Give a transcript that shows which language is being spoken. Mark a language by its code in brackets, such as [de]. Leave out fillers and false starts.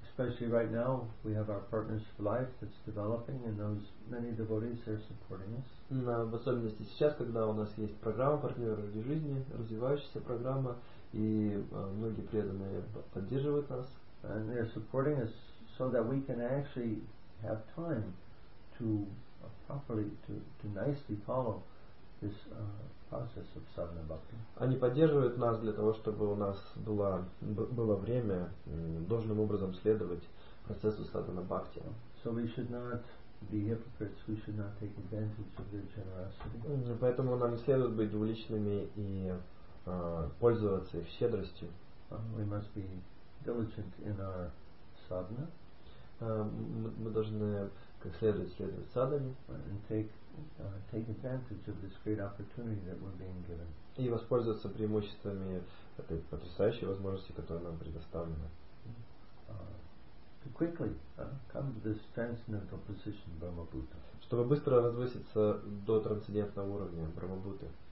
[en] Especially right now, we have our partners for life that's developing, and those many devotees are supporting us. [ru] В особенности сейчас, когда у нас есть программа «Партнеры ради жизни», развивающаяся программа, и многие преданные поддерживают нас. [en] And they're supporting us so that we can actually have time to properly, to nicely follow this process of sadhana bhakti. [ru] Они поддерживают нас для того, чтобы у нас было время должным образом следовать процессу sadhana bhakti. [en] So we should not be hypocrites, we should not take advantage of their generosity. [ru] Поэтому нам не следует быть двуличными и пользоваться их щедростью. [en] We must be diligent in our sadhana. [ru] Мы должны как следовать садхане. [en] And take advantage of this great opportunity that we're being given. [ru] И воспользоваться преимуществами этой потрясающей возможности, которая нам предоставлена. [en] To quickly come to this transcendental position, Brahma Bhuta. [ru] Чтобы быстро возвыситься до трансцендентного уровня, Брахма Бхута.